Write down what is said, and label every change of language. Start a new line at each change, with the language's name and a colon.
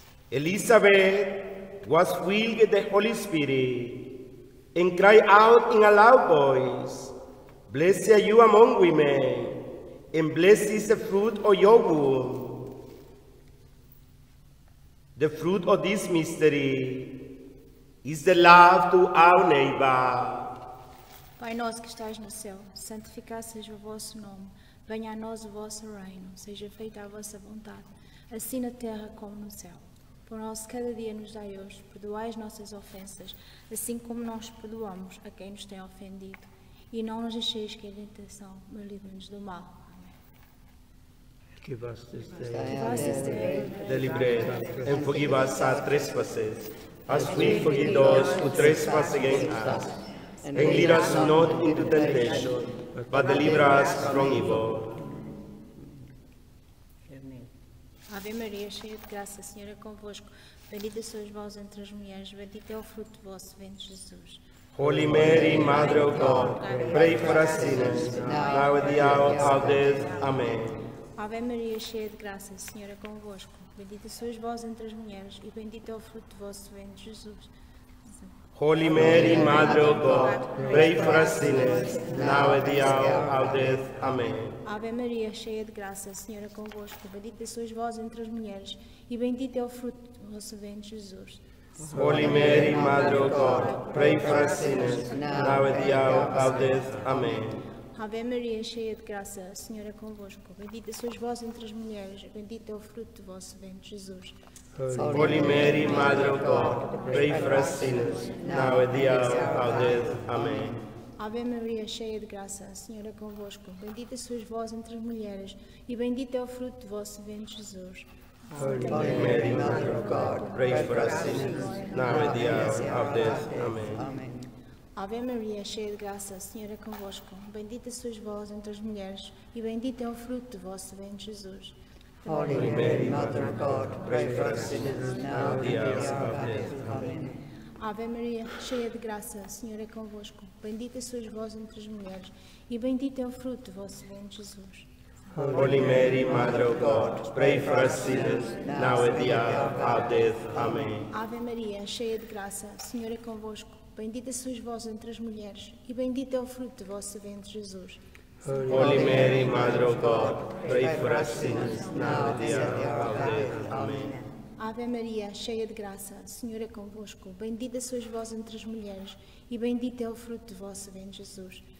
English: Elizabeth was filled with the Holy Spirit and cried out in a loud voice, "Blessed are you among women, and blessed is the fruit of your womb." The fruit of this mystery is the love to our neighbor.
Portuguese: Pai nosso que estás no céu, santificado seja o vosso nome. Venha a nós o vosso reino. Seja feita a vossa vontade, assim na terra como no céu. Pão nosso cada dia nos dai hoje. Perdoai as nossas ofensas, assim como nós perdoamos a quem nos tem ofendido. E não nos deixeis cair em tentação, mas livra-nos do mal.
English: Give us this day the liberty, and forgive us our trespasses, as we forgive those who trespass against us. And lead us not into temptation, but deliver us from evil.
Portuguese: Ave Maria, cheia de graça, o Senhor é convosco. Bendita sois vós entre as mulheres, bendito é o fruto do vosso ventre, Jesus.
English: Holy Mary, Mother of God, pray for us sinners, now at the hour of death. Amen.
Portuguese: Ave Maria, cheia de graça, o Senhor é convosco. Bendita sois vós entre as mulheres, e bendito é o fruto do vosso ventre, Jesus.
English: Holy Mary, Mother of God, pray for us sinners, now at the hour of death. Amen.
Portuguese: Ave Maria, cheia de graça, o Senhor é convosco. Bendita sois vós entre as mulheres, e bendito é o fruto do vosso ventre, Jesus.
English: Holy Mary, Mother of God, pray for us sinners, now at the hour of death. Amen.
Portuguese: Ave Maria, cheia de graça, o Senhor é convosco. Bendita sois vós entre as mulheres, e bendito é o fruto do vosso ventre, Jesus.
English: Holy Mary, Mother of God, pray for us sinners, now at the hour of our death. Amen.
Portuguese: Ave Maria, cheia de graça, o Senhor é convosco. Bendita sois vós entre as mulheres, e bendito é o fruto do vosso ventre, Jesus.
English: Holy Mary, Mother of God, pray for us sinners, now at the hour of death. Amen.
Portuguese: Ave Maria, cheia de graça, o Senhor é convosco. Bendita sois vós entre as mulheres, e bendito é o fruto do vosso ventre, Jesus.
English: Holy Mary, Mother of God, pray for us sinners, now at the hour of death. Amen.
Portuguese: Ave Maria, cheia de graça, o Senhor é convosco. Bendita sois vós entre as mulheres, e bendito é o fruto do vosso ventre, Jesus.
English: Holy Mary, Mother of God, pray for us sinners, now at the hour of our death. Amen.
Portuguese: Ave Maria, cheia de graça, o Senhor é convosco. Bendita sois vós entre as mulheres, e bendito é o fruto do vosso ventre, Jesus.
English: Holy Mary, Mother of God, pray for us sinners, now at the hour of death. Amen.
Portuguese: Ave Maria, cheia de graça, o Senhor é convosco. Bendita sois vós entre as mulheres, e bendito é o fruto do vosso ventre, Jesus.